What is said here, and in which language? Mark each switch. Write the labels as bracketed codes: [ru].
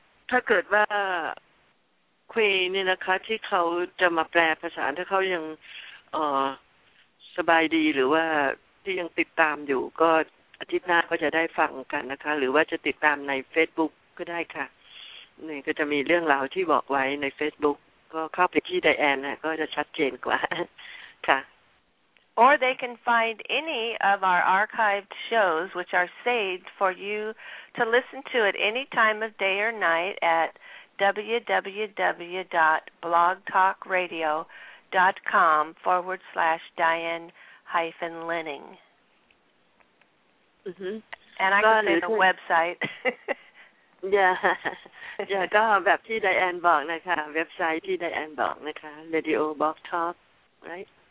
[th] ถ้าเกิดว่าคุยนี่นะคะที่เขาจะมาแปลภาษาถ้าเขายังสบายดีหรือว่าที่ยังติดตามอยู่ก็อาทิตย์หน้าก็จะได้ฟังกันนะคะหรือว่าจะติดตามใน Facebook ก็ได้ค่ะนี่ก็จะมีเรื่องราวที่บอกไว้ใน Facebook ก็เข้าไปที่ Diane นะก็จะชัดเจนกว่าค่ะ [en] Or they can find any of our archived shows which are saved for you to listen to at any time of day or night at www.blogtalkradio.com/Diane-Lenning And I can say the website [th] Yeah, ก็แบบที่ไดแอนบอกนะคะเว็บไซต์ที่ไดแอนบอกนะคะ Radio Blog Talk right